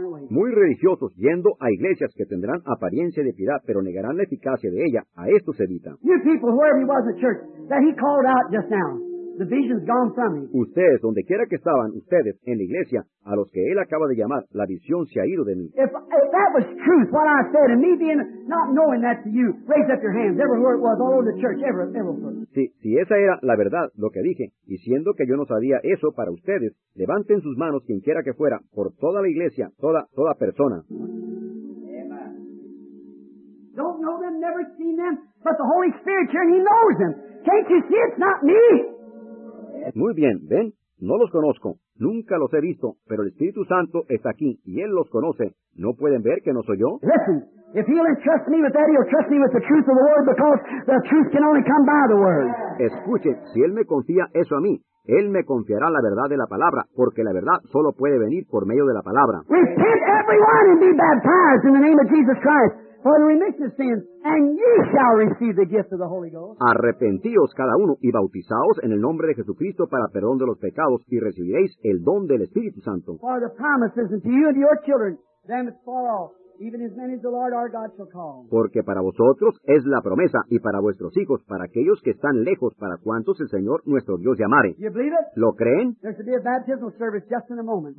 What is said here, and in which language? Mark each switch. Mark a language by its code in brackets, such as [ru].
[es] Muy religiosos yendo a iglesias que tendrán apariencia de piedad pero negarán la eficacia de ella, a esto se evita. [en] You people, wherever he was in church, that he called out just now, the vision's gone from me. [es] Ustedes, donde quiera que estaban, ustedes, en la iglesia, a los que él acaba de llamar, la visión se ha ido de mí. [en] If that was truth, what I said, and me being not knowing that to you, raise up your hands, ever where it was, all over the church, ever. [es] Si esa era la verdad, lo que dije, y siendo que yo no sabía eso para ustedes, levanten sus manos, quien quiera que fuera, por toda la iglesia, toda persona. [en] Amen. Don't know them, never seen them, but the Holy Spirit here, he knows them. Can't you see it's not me? [es] Muy bien, ven, no los conozco. Nunca los he visto, pero el Espíritu Santo está aquí y Él los conoce. ¿No pueden ver que no soy yo? [en] Listen, if he'll entrust me with that, he'll trust me with the truth of the word, because the truth can only come by the word. [es] Escuchen, si Él me confía eso a mí, Él me confiará la verdad de la palabra, porque la verdad solo puede venir por medio de la palabra. [en] Repent everyone and be baptized in the name of Jesus Christ. For the remission of sins, and ye shall receive the gift of the Holy Ghost. [es] Arrepentíos cada uno y bautizaos en el nombre de Jesucristo para perdón de los pecados y recibiréis el don del Espíritu Santo. [en] For the promises unto you and your children, them that fall off, even as many as the Lord our God shall call. [es] Porque para vosotros es la promesa y para vuestros hijos, para aquellos que están lejos, para cuantos el Señor nuestro Dios llamare. [en] You believe it? [es] ¿Lo creen? [en] There should be a baptismal service just in a moment.